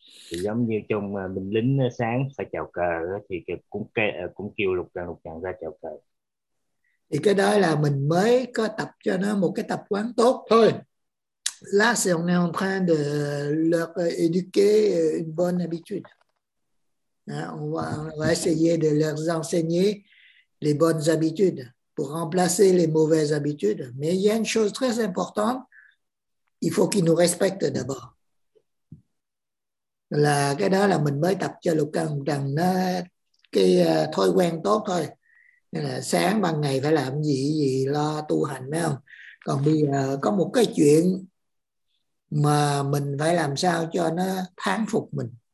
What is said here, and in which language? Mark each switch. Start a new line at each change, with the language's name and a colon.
Vietnamese: Thì giống như trong mình lính sáng phải chào cờ thì cũng kêu lục càng ra chào cờ. Thì cái đó là mình mới có tập cho nó một cái tập quán tốt thôi.
French: Là c'est on est en train de leur éduquer une bonne habitude. On va essayer de leur enseigner les bonnes habitudes pour remplacer les mauvaises habitudes. Mais il y a une chose très importante, il faut qu'ils nous respectent d'abord.
Vietnamese: Là cái đó là mình mới tập cho lục căn rằng nó cái thói quen tốt thôi. Nên là sáng ban ngày phải làm gì lo tu hành, phải không? Còn bây giờ có một cái chuyện mà mình phải làm sao cho nó thán phục mình.